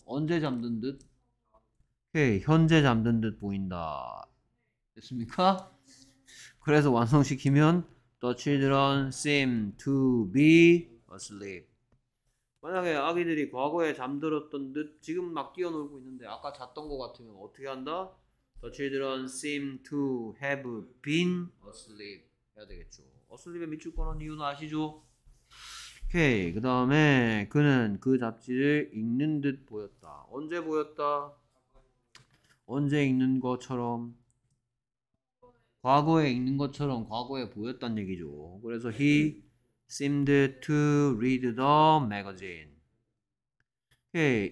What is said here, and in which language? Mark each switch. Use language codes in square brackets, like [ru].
[ko] 언제 잠든 듯? 오케이. 현재 잠든 듯 보인다. 됐습니까? 그래서 완성시키면 [en] The children seem to be asleep. [ko] 만약에 아기들이 과거에 잠들었던 듯 지금 막 뛰어놀고 있는데 아까 잤던 것 같으면 어떻게 한다? [en] The children seem to have been asleep [ko] 해야 되겠죠. asleep에 밑줄 꺼놓은 이유는 아시죠? 오케이. 그 다음에 그는 그 잡지를 읽는 듯 보였다. 언제 보였다? 언제 읽는 것처럼? 과거에 읽는 것처럼 과거에 보였단 얘기죠. [en] 그래서 he seemed to read the magazine. 오케이.